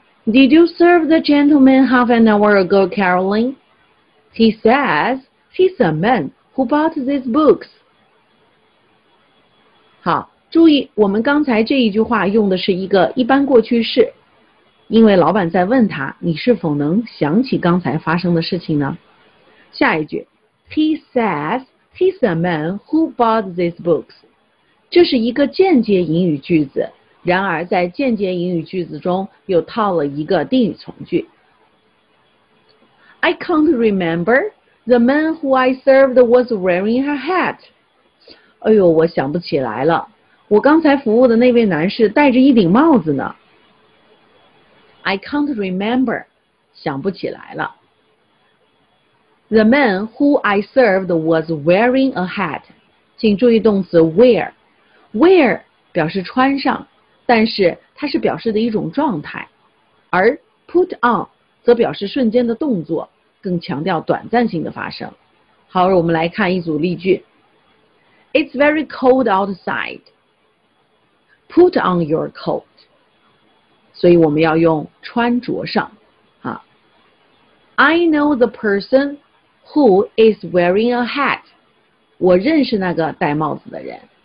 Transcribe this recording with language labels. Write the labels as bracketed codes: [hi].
[en] Did you serve the gentleman half an hour ago, Caroline? He says he's a man who bought these books. [zh] 好，注意，我们刚才这一句话用的是一个一般过去式，因为老板在问他，你是否能想起刚才发生的事情呢？下一句 [en] ，He says he's a man who bought these books. [zh] 这是一个间接引语句子。然而在间接引语句子中又套了一个定语从句。 [en] I can't remember the man who I served was wearing her hat. [zh] 哎呦，我想不起来了，我刚才服务的那位男士戴着一顶帽子呢。 [en] I can't remember, [zh] 想不起来了。 [en] The man who I served was wearing a hat. [zh] 请注意动词 wear. Wear 表示穿上，但是它是表示的一种状态，而 put on 则表示瞬间的动作，更强调短暂性的发生。好，我们来看一组例句。 [en] It's very cold outside. Put on your coat. [zh] 所以我们要用穿着上。 [en] I know the person who is wearing a hat. [zh] 我认识那个戴帽子的人。